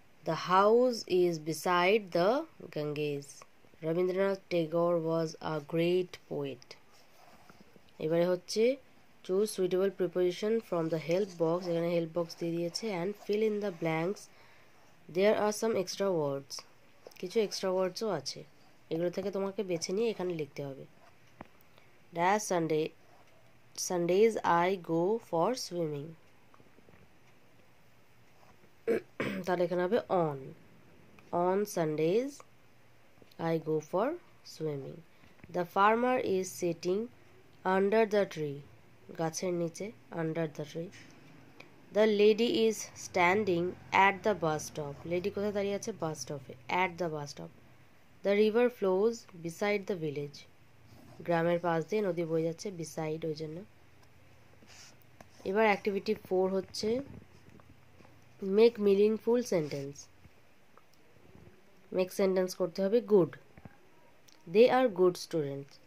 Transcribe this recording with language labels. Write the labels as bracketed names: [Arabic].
[English] The house is beside the Ganges. Rabindranath Tagore was a great poet. [Bangla] এবারে হচ্ছে [English] choose suitable preposition from the help box. [Bangla] এখানে [English] help box [Bangla] দিয়ে দিয়েছে, [English] and fill in the blanks. There are some extra words. [Bangla] কিছু extra wordsও আছে, এগুলো থেকে তোমাকে বেছে নিয়ে এখানে লিখতে হবে। [English] Dash Sundays I go for swimming. [Bangla] তাহলে এখানে হবে [English] On, on Sundays I go for swimming. The farmer is sitting under the tree. [Bangla] গাছের নিচে, [English] under the tree. The lady is standing at the bus stop. [Bangla] Lady কোথায় দাঁড়িয়ে আছে? [English] Bus stop. At the bus stop. The river flows beside the village. [Bangla] গ্রামের পাশ দিয়ে নদী বয়ে যাচ্ছে, beside ওই জন্য। এবার অ্যাক্টিভিটি 4 হচ্ছে [English] Make meaningful sentence. Make sentence [Bangla] করতে হবে [English] Good. They are good student.